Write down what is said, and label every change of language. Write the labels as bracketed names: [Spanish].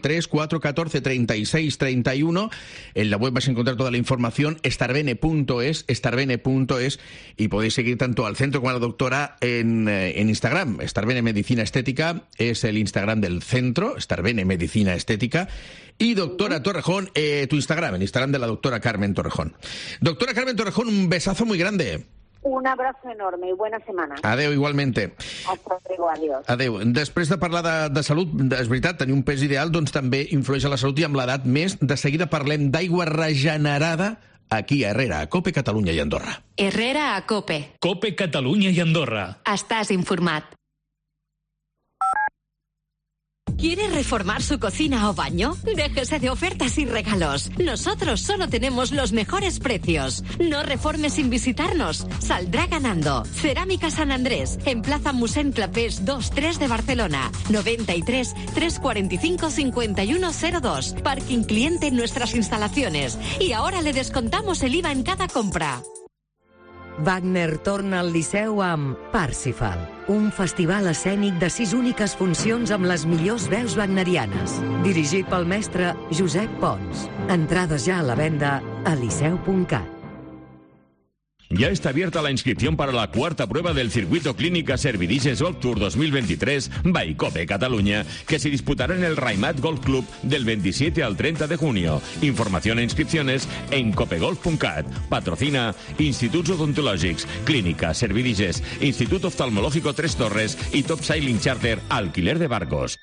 [Spanish] 93-414-36-31. En la web vais a encontrar toda la información, starbene.es, starbene.es, y podéis seguir tanto al centro como a la doctora en Instagram. Starbene Medicina Estética es el Instagram del centro, Starbene Medicina Estética, y doctora Torrejón, tu Instagram, el Instagram de la doctora Carmen Torrejón. Doctora Carmen Torrejón, un besazo muy grande. Un abrazo enorme y buena semana. [Catalan] Adeu, [Spanish] igualmente. Hasta luego, adiós. [Catalan] Adeu. Després de parlar de salut, és veritat, tenir un pes ideal doncs també influeix a la salut i amb l'edat més. De seguida parlem d'aigua regenerada aquí a Herrera, a COPE Catalunya i Andorra. Herrera a COPE. COPE Catalunya i Andorra. Estàs informat. [Spanish] ¿Quiere reformar su cocina o baño? Déjese de ofertas y regalos. Nosotros solo tenemos los mejores precios. No reforme sin visitarnos. Saldrá ganando. Cerámica San Andrés, en Plaza Mossèn Clapés 2-3 de Barcelona. 93-345-5102. Parking cliente en nuestras instalaciones. Y ahora le descontamos el IVA en cada compra. [Catalan] Wagner torna al Liceu amb Parsifal, un festival escènic de 6 úniques funcions amb les millors veus wagnerianes, dirigit pel mestre Josep Pons. Entrades ja a la venda a liceu.cat. [Spanish] Ya está abierta la inscripción para la cuarta prueba del circuito clínica Servidices Golf Tour 2023 by COPE Cataluña, que se disputará en el Raimat Golf Club del 27 al 30 de junio. Información e inscripciones en copegolf.cat. Patrocina Instituts Odontològics, Clínica Servidices, Institut Oftalmológico Tres Torres y Top Sailing Charter Alquiler de Barcos.